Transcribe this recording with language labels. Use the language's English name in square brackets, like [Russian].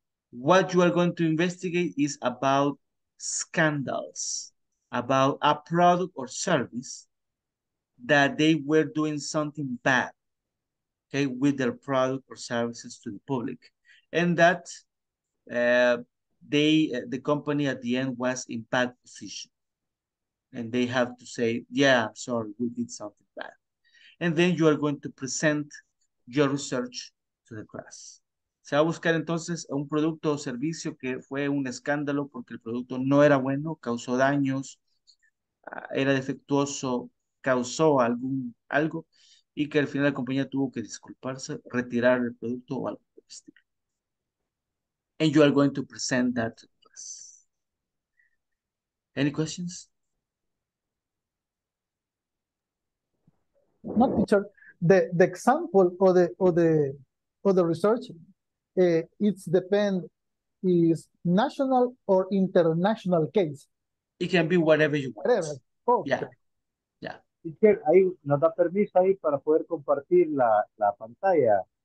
[English] What you are going to investigate is about scandals about a product or service that they were doing something bad, okay, with their product or services to the public, and that the company at the end was in bad position, and they have to say, yeah, I'm sorry, we did something bad. And then you are going to present your research to the class. [Spanish] Se va a buscar entonces un producto o servicio que fue un escándalo porque el producto no era bueno, causó daños, era defectuoso, causó algo. y que al final la compañía tuvo que disculparse, retirar el producto o algo del estilo. [English] And you are going to present that to us. Any questions? No, teacher. The example or the research, it depends is national or international case. It can be whatever you want. Whatever. Okay. Yeah. [Spanish] Teacher, ahí nos da permiso ahí para poder compartir la pantalla.